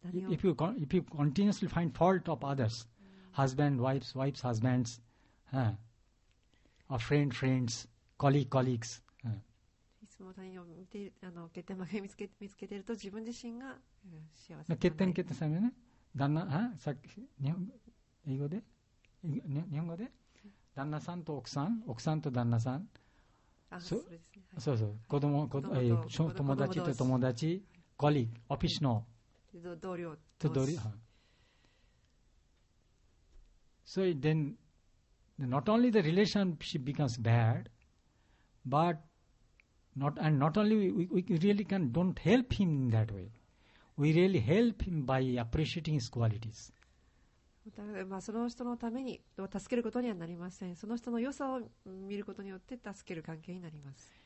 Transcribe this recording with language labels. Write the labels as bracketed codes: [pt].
[en] If you continuously find fault of others, husband, wives, husbands, Our friends, colleagues. [ja] いつも他人を見て、あの欠点まで見つけてると自分自身が幸せ。欠点さよね。旦那、さっき英語で、日本語で、旦那さんと奥さん、奥さんと旦那さん。そうです、ね、はい、そうそう。子供、子供、子供ええ、友達と友達、コリ、はい、オフィスの同僚と同僚。 [en] So then. Not only the relationship becomes bad, but we really don't help him in that way. We really help him by appreciating his qualities. [ja] その人のために助けることにはなりません。その人の良さを見ることによって助ける関係になります。